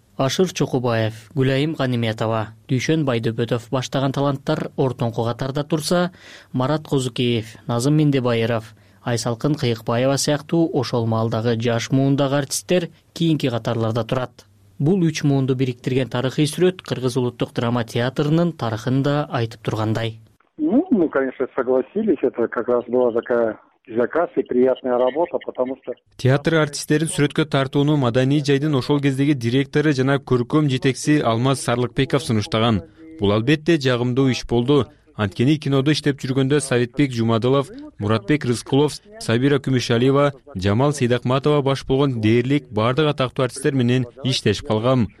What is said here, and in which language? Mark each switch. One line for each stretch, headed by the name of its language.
Kyrgyz: Ашыр Чокубаев, Гүлайым Ганиметова, Дүйшөн Байдөбөтов баштаган таланттар ортоңку катарда турса, Марат Козукеев, Назым Миндебайыров, Айсалкын Кыйыкбаева сыяктуу ошол маалдагы жаш муундагы артисттер кийинки катарларда турат. Бул үч муунду бириктирген тарыхый сүрөт Кыргыз улуттук драма театрынын тарыхын да айтып тургандай.
Russian: Мы, конечно, согласились, это как раз была такая заказ и приятная работа, потому что
Kyrgyz: театр артисттерин сүрөткө тартууну маданий жайдын ошол кездеги директору жана көркөм жетекчиси Алмаз Сарлыкбеков сунуштаган. Бул албетте жагымдуу иш болду. Анткени кинодо иштеп жүргөндө Советбек Жумадылов, Муратбек Рыскулов, Сабира Күмүшалиева, Жамал Сейдакматова баш болгон дээрлик бардык атактуу артисттер менен иштешип калгам.